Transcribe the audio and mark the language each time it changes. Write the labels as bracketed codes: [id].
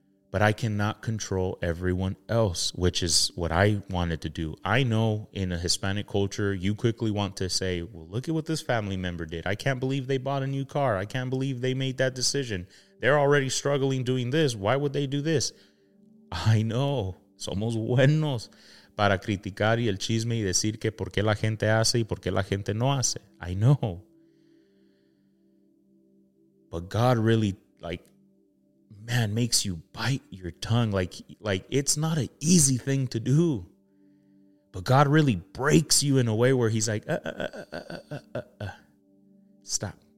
[en] But I cannot control everyone else, which is what I wanted to do. I know in a Hispanic culture, you quickly want to say, well, look at what this family member did. I can't believe they bought a new car. I can't believe they made that decision. They're already struggling doing this. Why would they do this? I know. [es] Somos buenos para criticar y el chisme y decir que por qué la gente hace y por qué la gente no hace. [en] I know. But God really, like, man, makes you bite your tongue. Like it's not an easy thing to do. But God really breaks you in a way where he's like, stop.